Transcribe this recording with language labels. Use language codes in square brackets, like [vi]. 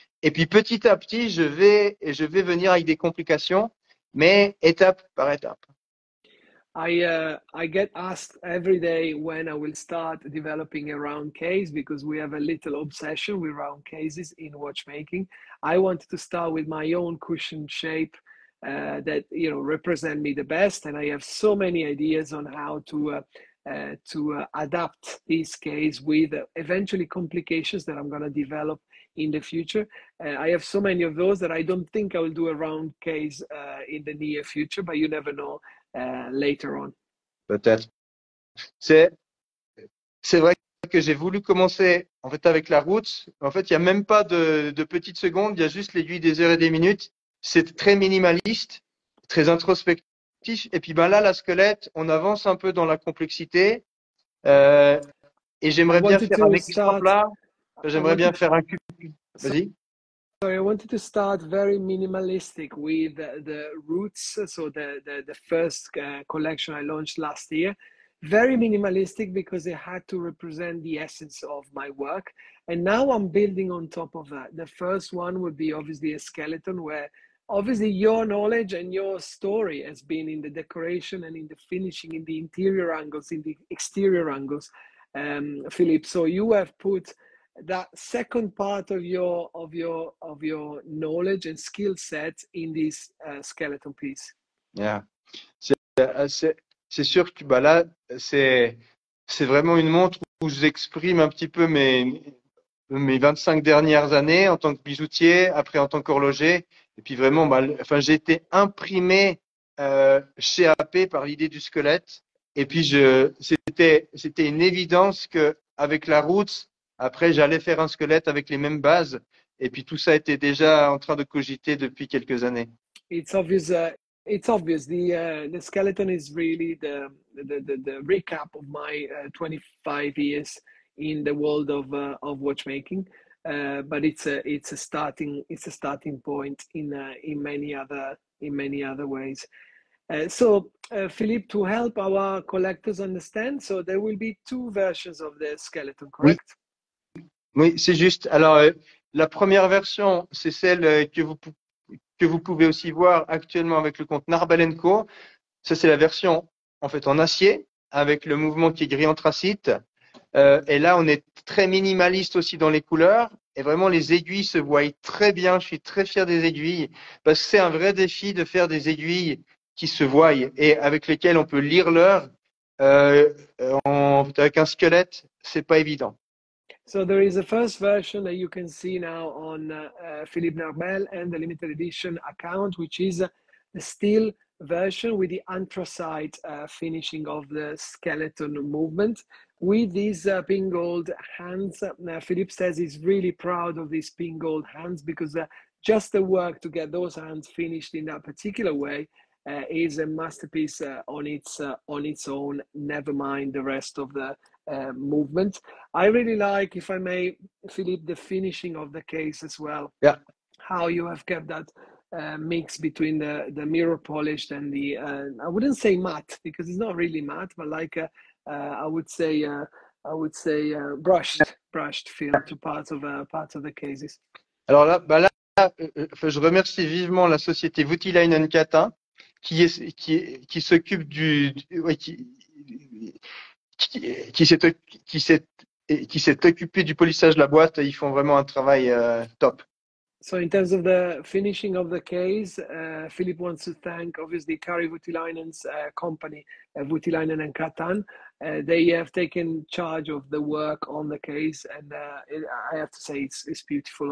[fr] Et puis petit à petit, je vais venir avec des complications, mais étape par étape. [en] I get asked every day when I will start developing a round case, because we have a little obsession with round cases in watchmaking. I wanted to start with my own cushion shape that, you know, represent me the best, and I have so many ideas on how to adapt this case with eventually complications that I'm going to develop in the future. I have so many of those that I don't think I will do a round case in the near future, but you never know. Later on. [fr] Peut-être. C'est vrai que j'ai voulu commencer en fait avec la route. En fait, il n'y a même pas de petites secondes, il y a juste l'aiguille des heures et des minutes. C'est très minimaliste, très introspectif. Et puis ben là, la squelette, on avance un peu dans la complexité. Et j'aimerais bien faire un exemple là. J'aimerais bien faire un cube. Vas-y. [en] So I wanted to start very minimalistic with the roots, so the first collection I launched last year. Very minimalistic because it had to represent the essence of my work. And now I'm building on top of that. The first one would be obviously a skeleton, where obviously your knowledge and your story has been in the decoration and in the finishing, in the interior angles, in the exterior angles, Philippe. So you have put that second part of your knowledge and skill set in this skeleton piece. [fr] Yeah, c'est sûr que bah là c'est vraiment une montre où j'exprime un petit peu mes 25 dernières années en tant que bijoutier, après en tant qu'horloger, et puis vraiment j'ai été imprimé chez AP par l'idée du squelette, et puis c'était une évidence que avec la route. Après, j'allais faire un squelette avec les mêmes bases, et puis tout ça était déjà en train de cogiter depuis quelques années. [en] It's obvious. The skeleton is really the recap of my 25 years in the world of watchmaking, but it's a starting point in many other ways. So, Philippe, to help our collectors understand, so there will be two versions of the skeleton, correct? [fr] Oui. Oui, c'est juste. Alors, la première version, c'est celle que vous pouvez aussi voir actuellement avec le compte Narbel Co. Ça, c'est la version, en fait, en acier, avec le mouvement qui est gris anthracite. Et là, on est très minimaliste aussi dans les couleurs. Et vraiment, les aiguilles se voient très bien. Je suis très fier des aiguilles, parce que c'est un vrai défi de faire des aiguilles qui se voient et avec lesquelles on peut lire l'heure. Avec un squelette, c'est pas évident. [en] So there is a first version that you can see now on Philippe Narbel and the limited edition account, which is a steel version with the anthracite finishing of the skeleton movement. With these pink gold hands, Philippe says he's really proud of these pink gold hands, because just the work to get those hands finished in that particular way is a masterpiece on its own, never mind the rest of the movement. I really like, if I may, Philippe, the finishing of the case as well. Yeah. How you have kept that mix between the mirror polished and the, I wouldn't say matte, because it's not really matte, but like I would say brushed, brushed feel to parts of the cases. [fr] Alors là, je remercie vivement la société Voutilainen Katin qui s'occupe qui s'est occupé du polissage de la boîte. Ils font vraiment un travail top. [en] So in terms of the finishing of the case, Philippe wants to thank obviously Kari Voutilainen's company, Voutilainen and Katan. They have taken charge of the work on the case, and I have to say it's beautiful.